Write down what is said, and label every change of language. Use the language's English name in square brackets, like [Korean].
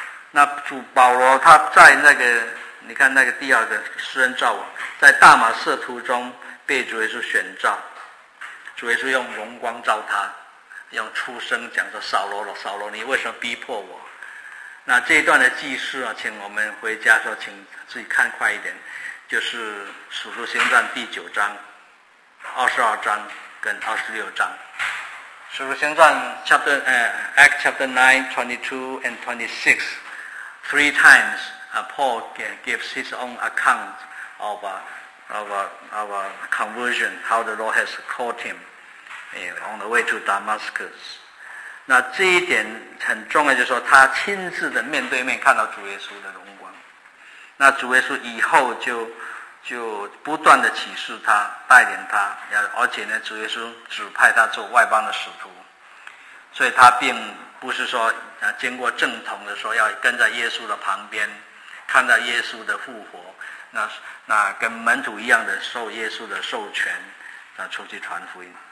[Chinese] 那主保罗他在那个你看那个第二个施恩召王，在大马士途中被主耶稣选召，主耶稣用荣光照他，用出声讲说扫罗了，扫罗你为什么逼迫我。那这一段的记事啊，请我们回家说请自己看快一点，就是使徒行传第9章、22章跟26章。使徒行传 [English] Act chapter 9:22 and 26 three times Paul gives his own account of a conversion, how the Lord has called him on the way to Damascus. [Chinese] 那这一点很重要，就是说他亲自的面对面看到主耶稣的荣光。那主耶稣以后就不断的启示他，带领他，而且呢主耶稣指派他做外邦的使徒，所以他并不是说经过正统的说要跟在耶稣的旁边看到耶稣的复活，那跟门徒一样的受耶稣的授权出去传福音。